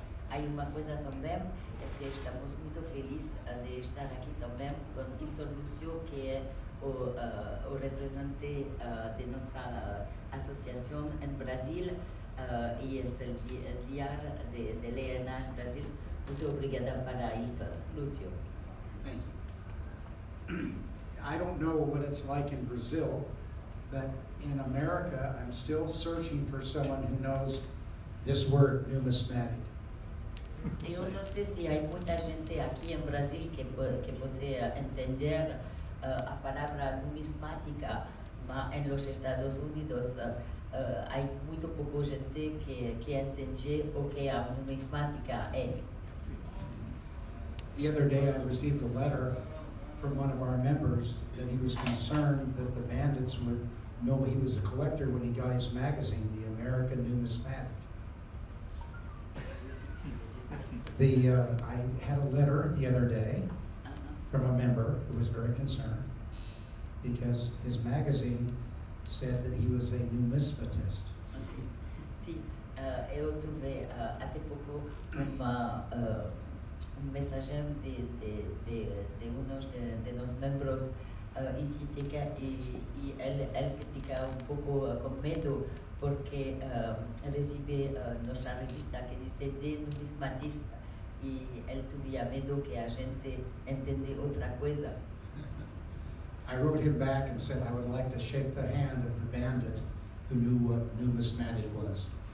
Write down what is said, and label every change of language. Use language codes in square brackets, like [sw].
[pt] Há uma coisa também, é que estamos muito felizes de estar aqui também com o Victor Lucio, que é o representante de nossa associação em Brasil, e é o dia de ANA em Brasil. Muito obrigada para Victor Lucio. [en] Thank you. I don't know what it's like in Brazil, but in America, I'm still searching for someone who knows this word, numismatic. [pt] Eu não sei se há muita gente aqui em Brasil que possa entender a palavra numismática, mas nos Estados Unidos há muito pouca gente que entende o que a numismática é. [en] The other day I received a letter from one of our members that he was concerned that the bandits would know he was a collector when he got his magazine, The American Numismatic. I had a letter the other day from a member who was very concerned because his magazine said that he was a numismatist. [pt] Sim, eu tive até pouco um mensagem de um de nos membros e ele se fica um pouco com medo porque recebe nossa revista que diz de numismatista. e ele tinha medo que a gente entendesse outra coisa. [en] I wrote him back and said I would like to shake the hand of the bandit who knew what numismatic was.